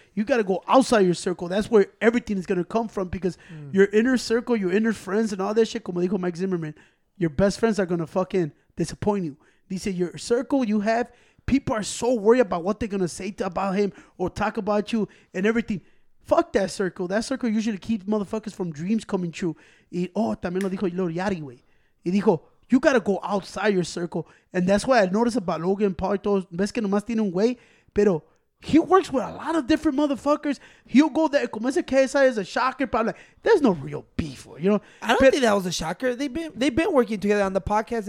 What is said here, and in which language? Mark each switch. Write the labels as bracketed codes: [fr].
[en] You got to go outside your circle. That's where everything is going to come from, because your inner circle, your inner friends and all that shit, [es] como dijo [en] Mike Zimmerman, your best friends are going to fucking disappoint you. They say your circle you have, people are so worried about what they're going to say about him or talk about you and everything. Fuck that circle. That circle usually keeps motherfuckers from dreams coming true. [es] Y, oh, también lo dijo Lil Yachty, güey. Y dijo, [en] you got to go outside your circle. And that's why I noticed about Logan Paul. [es] Ves que nomás tiene un güey. [en] Pero he works with a lot of different motherfuckers. He'll go there. [es] Como ese [en] KSI is a shocker. Probably like, there's no real beef, you know. I don't think that was a shocker. They've been working together on the podcast.